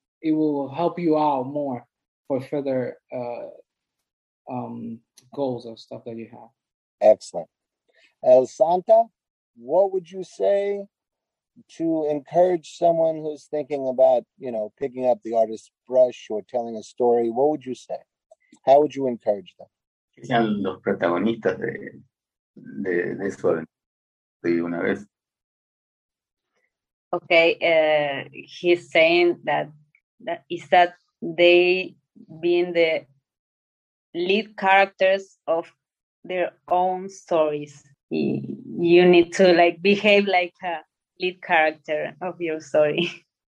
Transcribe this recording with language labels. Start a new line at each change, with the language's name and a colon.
English: It will help you out more for further goals or stuff that you have. Excellent, El Santa. What would you say to encourage someone who's thinking about, you know, picking up the artist's brush or telling a story? What would you say? How would you encourage them?
Spanish: Sean los protagonistas de eso de una vez.
English: Okay, he's saying that they being the lead characters of their own stories. You need to like behave like a lead character of your story.